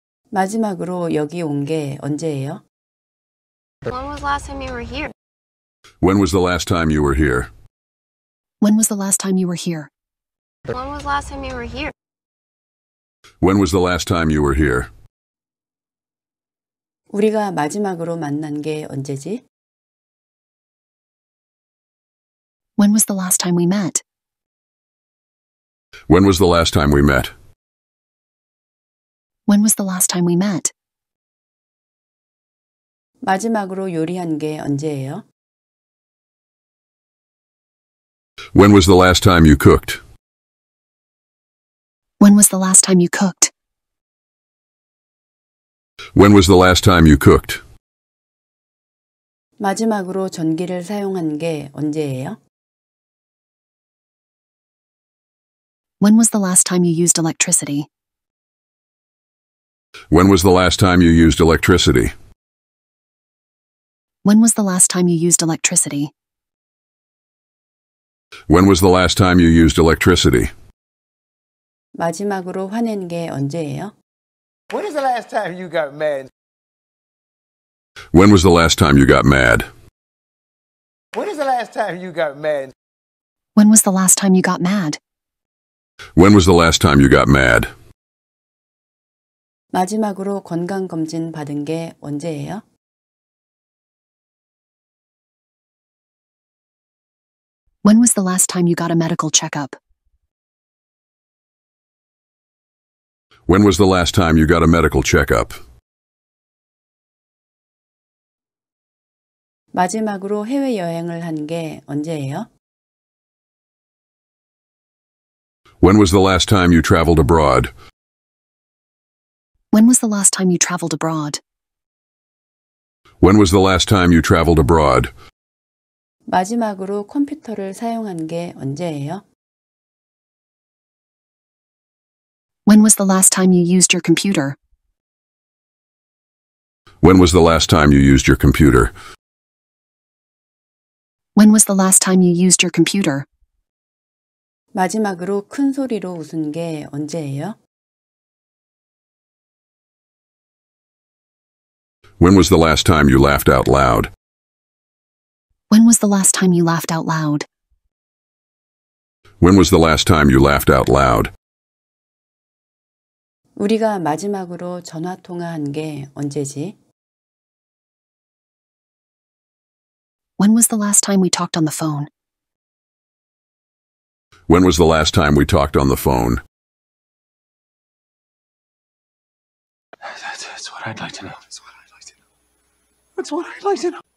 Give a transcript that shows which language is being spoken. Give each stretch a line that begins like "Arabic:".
Korean: 마지막으로 여기 온 게 언제예요?
English: When was the last time you were here? When was the last time you were here? When was the last time you were here? When was the last time you were here? When was the last time you were here?
Korean: 우리가 마지막으로 만난 게 언제지?
English: When was the last time we met? When was the last time we met? When was the last time we met?
Korean: 마지막으로 요리한 게 언제예요?
English: When was the last time you cooked? When was the last time you cooked? When was the last time you cooked?
Korean: 마지막으로 전기를 사용한 게 언제예요?
English: When was the last time you used electricity? When was the last time you used electricity? When was the last time you used electricity? When was the last time you used electricity?
Korean: 마지막으로 화낸 게 언제예요?
English: When was the last time you got mad? When was the last time you got mad? When was the last time you got mad? When was the last time you got mad? When was the last time you got mad?
Korean: 마지막으로 건강 검진 받은 게 언제예요?
English: When was the last time you got a medical checkup? When was the last time you got a medical checkup?
Korean: 마지막으로 해외 여행을 한 게 언제예요?
English: When was the last time you traveled abroad? When was the last time you traveled abroad? When was the last time you traveled abroad?
Korean: 마지막으로 컴퓨터를 사용한 게 언제예요?
English: When was the last time you used your computer? When was the last time you used your computer? When was the last time you used your computer?
Korean: 마지막으로 큰 소리로 웃은 게 언제예요?
English: When was the last time you laughed out loud? When was the last time you laughed out loud? When was the last time you laughed out loud?
Korean: 우리가 마지막으로 전화 통화한 게 언제지?
English: When was the last time we talked on the phone? When was the last time we talked on the phone? That's what I'd like to know. That's what I'd like to know. That's what I'd like to know.